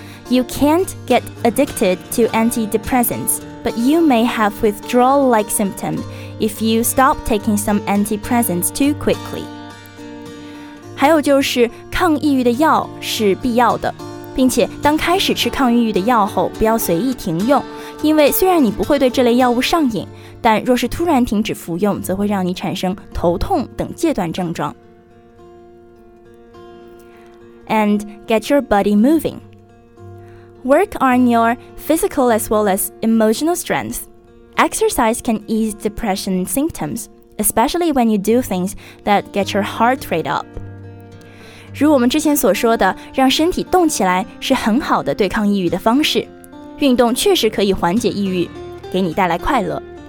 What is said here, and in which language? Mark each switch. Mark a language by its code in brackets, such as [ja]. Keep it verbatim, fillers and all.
[en] You can't get addicted to antidepressants, but you may have withdrawal-like symptoms if you stop taking some antidepressants too quickly. [zh] 还有就是，抗抑郁的药是必要的。并且当开始吃抗抑郁的药后，不要随意停用，因为虽然你不会对这类药物上瘾，但若是突然停止服用，则会让你产生头痛等戒断症状。 [en] And get your body moving. Work on your physical as well as emotional strength. Exercise can ease depression symptoms, especially when you do things that get your heart rate up. [zh] 如我们之前所说的，让身体动起来是很好的对抗抑郁的方式。运动确实可以缓解抑郁，给你带来快乐。